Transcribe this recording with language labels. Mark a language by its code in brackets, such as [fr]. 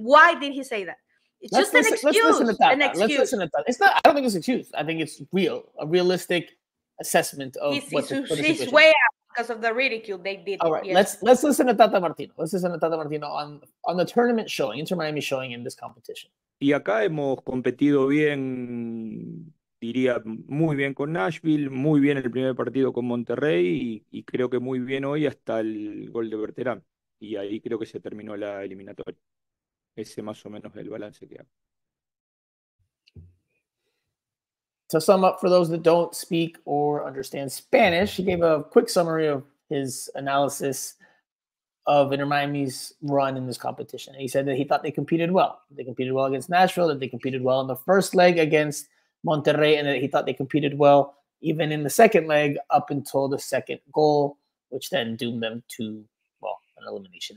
[en] Why did he say that? It's just an excuse. I don't think it's an excuse. I think it's real, a realistic assessment of he's way out because of the ridicule they did. All right, let's listen to Tata Martino on the tournament showing, Inter Miami showing in this competition. [es] Y acá hemos competido bien, diría, muy bien con Nashville, muy bien el primer partido con Monterrey y creo que muy bien hoy hasta el gol de Berterán. Y ahí creo que se terminó la eliminatoria. Ese más o menos el balance que hago. [en] To sum up, for those that don't speak or understand Spanish, he gave a quick summary of his analysis of Inter Miami's run in this competition. And he said that he thought they competed well. They competed well against Nashville, that they competed well in the first leg against Monterrey, and that he thought they competed well even in the second leg up until the second goal, which then doomed them to, well, an elimination.